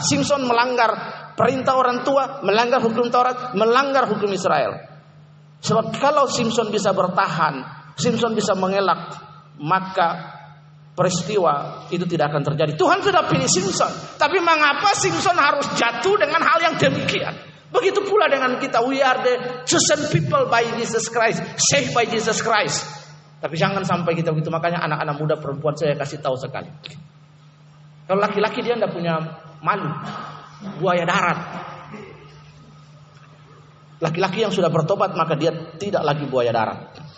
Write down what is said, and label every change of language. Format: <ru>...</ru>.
<id>Simpson melanggar perintah orang tua, melanggar hukum Taurat, melanggar hukum Israel. Sebab kalau Simpson bisa bertahan, Simpson bisa mengelak, maka peristiwa itu tidak akan terjadi. Tuhan sudah pilih Simpson. Tapi mengapa Simpson harus jatuh dengan hal yang demikian? Begitu pula dengan kita.</id> <en>We are the chosen people by Jesus Christ, saved by Jesus Christ.</en> <id>Tapi jangan sampai kita begitu. Makanya anak-anak muda perempuan saya kasih tahu sekali. Kalau laki-laki dia tidak punya malu. Buaya darat. Laki-laki yang sudah bertobat, maka dia tidak lagi buaya darat.</id>